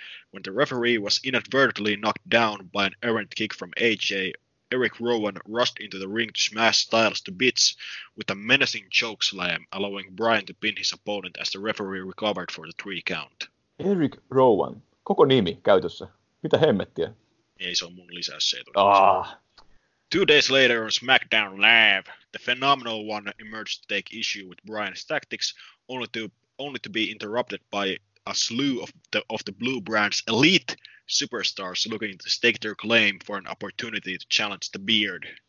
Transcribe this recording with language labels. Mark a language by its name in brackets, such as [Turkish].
[English] When the referee was inadvertently knocked down by an errant kick from AJ, Eric Rowan rushed into the ring to smash Styles to bits with a menacing chokeslam, allowing Bryan to pin his opponent as the referee recovered for the 3 count. [Finnish] Eric Rowan. Koko nimi käytössä. Mitä hemmettiä? Ei, se on mun lisäys, se ei todella. [English] 2 days later on SmackDown Live, the phenomenal one emerged to take issue with Bryan's tactics, only to be interrupted by a slew of the Blue Brand's elite superstars looking to stake their claim for an opportunity to challenge the beard.